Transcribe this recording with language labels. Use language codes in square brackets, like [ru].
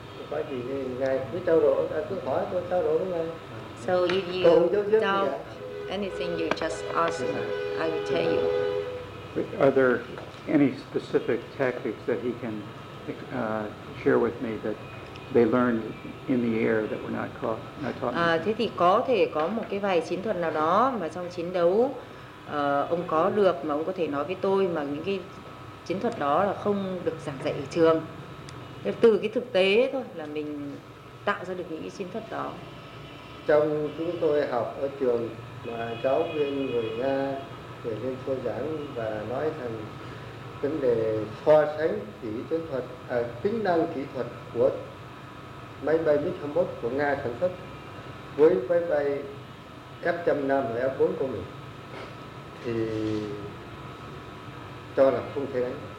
[vi] Có gì ngài cứ trao đổi, cứ hỏi tôi trao đổi với ngài. [en] So if you doubt anything, you just ask me. I will tell you. But are there any specific tactics that he can share with me that they learned in the air that were not caught, not taught? [vi] Thế thì có thể có một cái vài chiến thuật nào đó mà trong chiến đấu ông có được mà ông có thể nói với tôi mà những cái chiến thuật đó là không được giảng dạy ở trường. Thế từ cái thực tế thôi là mình tạo ra được những cái chiến thuật đó. Trong chúng tôi học ở trường mà giáo viên người Nga, người Liên Xô giảng và nói rằng vấn đề so sánh kỹ chiến thuật, tính năng kỹ thuật của máy bay MiG-21 của Nga sản xuất với máy bay F-15 và F-4 của mình thì cho là không thể đánh.